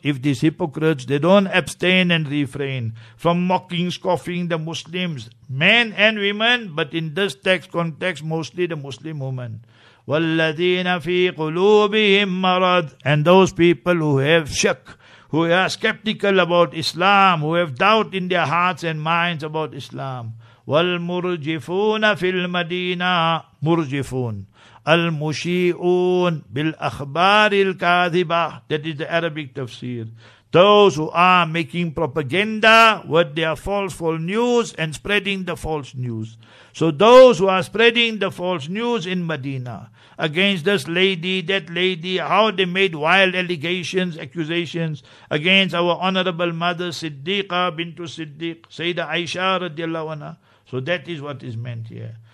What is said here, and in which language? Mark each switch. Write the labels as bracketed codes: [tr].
[en] If these hypocrites, they don't abstain and refrain from mocking, scoffing the Muslims, men and women, but in this text context, mostly the Muslim women. [ar] وَالَّذِينَ فِي قُلُوبِهِمْ مَرَضْ. [en] And those people who have shirk, who are skeptical about Islam, who have doubt in their hearts and minds about Islam. [ar] وَالْمُرْجِفُونَ فِي الْمَدِينَةِ. مُرْجِفُونَ. المشيئون بالأخبار الكاذبة. [en] That is the Arabic tafsir. Those who are making propaganda with their falseful news and spreading the false news. So those who are spreading the false news in Medina against this lady, that lady, how they made wild allegations, accusations against our honorable mother Siddiqa bintu Siddiq, Sayyida Aisha radiallahu anha. So that is what is meant here.